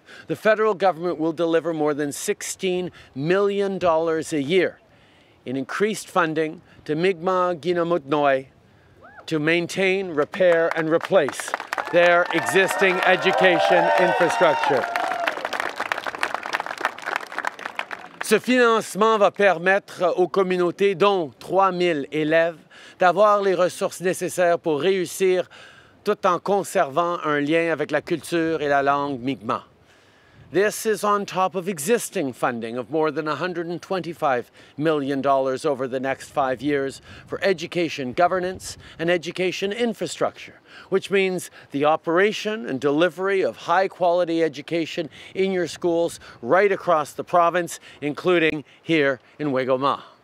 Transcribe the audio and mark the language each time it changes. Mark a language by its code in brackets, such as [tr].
[en] The federal government will deliver more than $16 million a year in increased funding to Mi'kmaq Gunamutnoi to maintain, repair, and replace their existing education infrastructure. [fr] Ce financement va permettre aux communautés, dont 3000 élèves, d'avoir les ressources nécessaires pour réussir tout en conservant un lien avec la culture et la langue Mi'kmaq. [en] This is on top of existing funding of more than $125 million over the next 5 years for education governance and education infrastructure, which means the operation and delivery of high-quality education in your schools right across the province, including here in Wagoma.